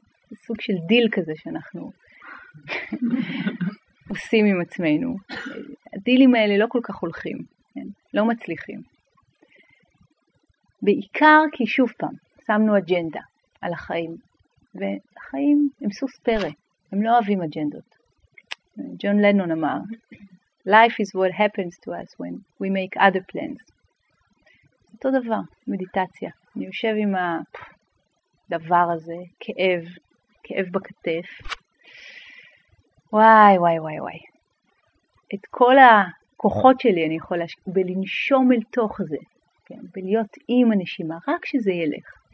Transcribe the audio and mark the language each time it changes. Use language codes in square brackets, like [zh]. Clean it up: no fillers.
[he] זה סוג של דיל כזה שאנחנו עושים עם עצמנו. הדילים האלה לא כל כך הולכים, לא מצליחים. בעיקר כי שוב פעם, שמנו אג'נדה על החיים, והחיים הם סוס פרה, הם לא אוהבים אג'נדות. ג'ון לנון אמר, [en] Life is what happens to us when we make other plans. [he] אותו דבר, מדיטציה. אני יושב עם הדבר הזה, כאב, כאב בכתף. וואי, וואי, וואי, וואי. את כל הכוחות שלי אני יכולה בלנשום אל תוך זה, כן? בלהיות עם הנשימה, רק שזה ילך.